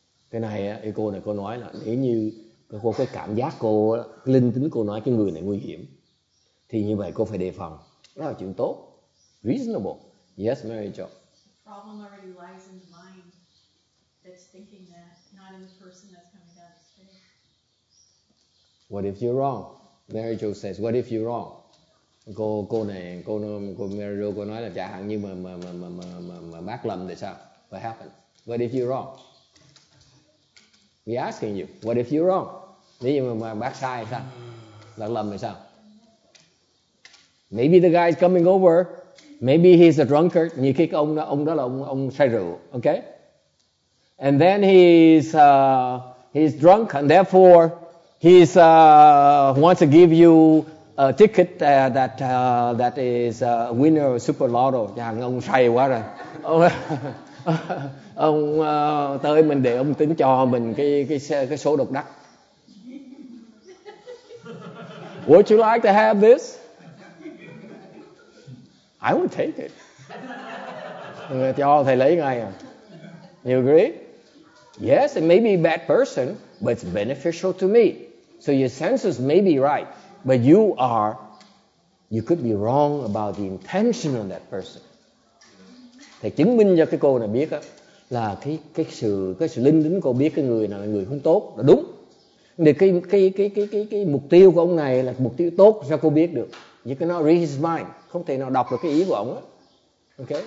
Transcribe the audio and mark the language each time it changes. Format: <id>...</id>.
<vi>Cái này, cô này cô nói là nếu như cô có cảm giác cô, linh tính cô nói cái người này nguy hiểm. Thì như vậy cô phải đề phòng. Đó là chuyện tốt.</vi> <en>Reasonable. Yes, Mary Jo. The problem already lies in the mind that's thinking that, not in the person that's coming down the street. What if you're wrong? Mary Jo says, what if you're wrong?</en> <vi>Cô Mary Jo, cô nói là chả hạn như mà bác lầm thì sao?</vi> <en>What happened? What if you're wrong? We're asking you, what if you're wrong?</en> <vi>Nếu như mà bác sai thì sao? Bác lầm thì sao?</vi> <en>Maybe the guy is coming over. Maybe he's a drunkard.</en> <vi>Nhiều khi ông đó là ông say rượu, okay?</vi> <en>And then he's drunk, and therefore he's wants to give you a ticket that is a winner of super lotto.</en> <vi>Dạ, ông say quá rồi. Ông tới mình để ông tính cho mình cái số độc đắc.</vi> <en>Would you like to have this? I would take it.</en> <vi>Cho thầy lấy ngay à.</vi> <en>You agree? Yes, it may be a bad person, but it's beneficial to me. So your senses may be right, but you could be wrong about the intention of that person.</en> <vi>Thầy chứng minh cho cái cô này biết á, là cái sự linh tính cô biết cái người này là người không tốt, là đúng. Nhưng cái mục tiêu của ông này là mục tiêu tốt, sao cô biết được?</vi> <en>You cannot read his mind.</en> <vi>Không thể nào đọc được cái ý của ông á. Okay.</vi>